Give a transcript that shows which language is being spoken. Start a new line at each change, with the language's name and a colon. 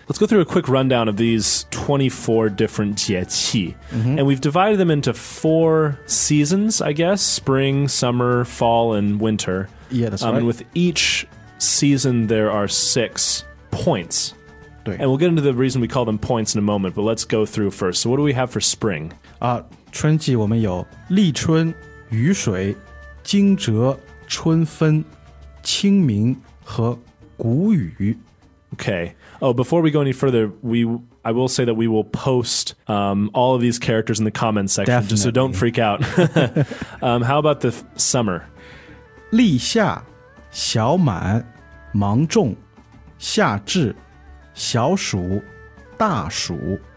English: Let's go through a quick rundown of these 24 different 节气. Mm-hmm. And we've divided them into four seasons, I guess. Spring, summer, fall, and winter. Yeah, that's right. And with each season, there are 6 points. Right. And we'll get into the reason we call them points in a moment, but let's go through first. So what do we have for spring?
Chinese: 春季, 我们有立春, 雨水, 惊蛰, 春分, 清明, 和谷雨.
English: Okay. Oh, before we go any further, I will say that we will post all of these characters in the comments section. Definitely. So don't freak out. How about the summer?
Chinese: 立夏, 小满, 芒种, 夏至, 小暑, 大暑.